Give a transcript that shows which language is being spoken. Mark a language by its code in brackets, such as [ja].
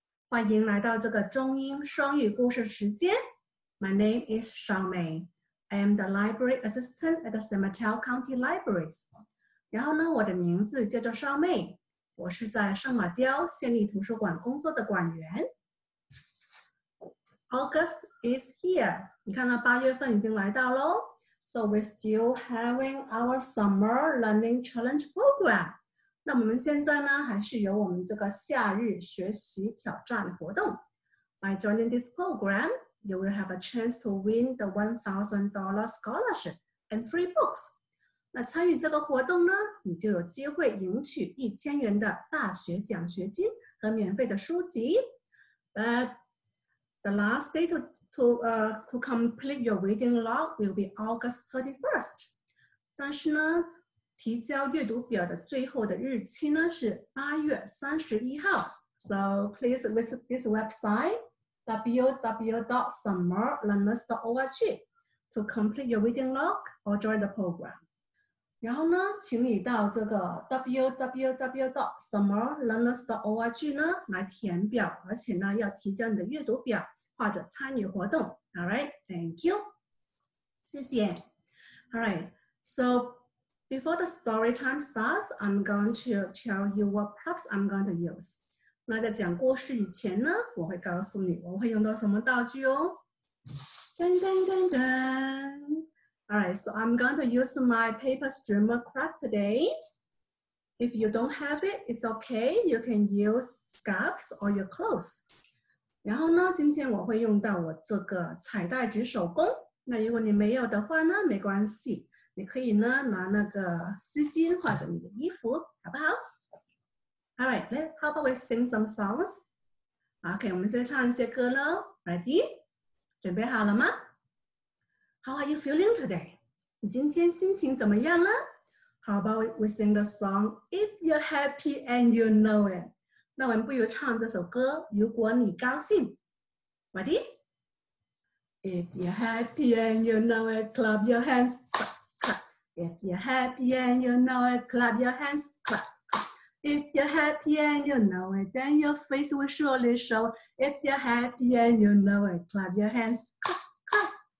[zh] 欢迎来到这个中英双语故事时间。 [en] My name is Shao Mei. I am the library assistant at the San Mateo County Libraries. [zh] 然后呢，我的名字叫做 Shao Mei. 我是在圣马刁县立图书馆工作的馆员。 [en] August is here. [zh] 你看到八月份已经来到咯。 [en] So we're still having our summer learning challenge program. [zh] 那我们现在呢，还是有我们这个夏日学习挑战活动。 [en] By joining this program, you will have a chance to win the $1,000 scholarship and free books. [zh] 那参与这个活动呢，你就有机会赢取1000元的大学奖学金和免费的书籍。 [en] But the last day to complete your reading log will be August 31st. [zh] 但是呢，提交阅读表的最后的日期呢是8月31号。 [en] So please visit this website, www.summerlearners.org, to complete your reading log or join the program. [zh] 然后呢，请你到这个 www.summerlearners.org 呢来填表，而且呢要提交你的阅读表。或者参与活动 [en] All right, thank you. [zh] 谢谢 [en] All right, so before the story time starts, I'm going to tell you what props I'm going to use. [zh] 那在讲故事以前呢，我会告诉你我会用到什么道具哦。 [en] 噔噔噔噔 All right, so I'm going to use my paper streamer craft today. If you don't have it, it's okay. You can use scarves or your clothes. [zh] 然后呢，今天我会用到我这个彩带纸手工。那如果你没有的话呢，没关系，你可以呢拿那个丝巾或者你的衣服，好不好 ？ [en] All right, let's how about we sing some songs? [zh] Okay, 我们先唱一些歌咯。Ready? 准备好了吗 ？ [en] How are you feeling today? [zh] 你今天心情怎么样呢 [en] ？How about we sing the song "If You're Happy and You Know It"? [zh] 那我们不如唱这首歌，如果你高兴。 [en] Ready? If you're happy and you know it, clap your hands, clap, clap. If you're happy and you know it, clap your hands, clap, clap. If you're happy and you know it, then your face will surely show. If you're happy and you know it, clap your hands, clap, clap.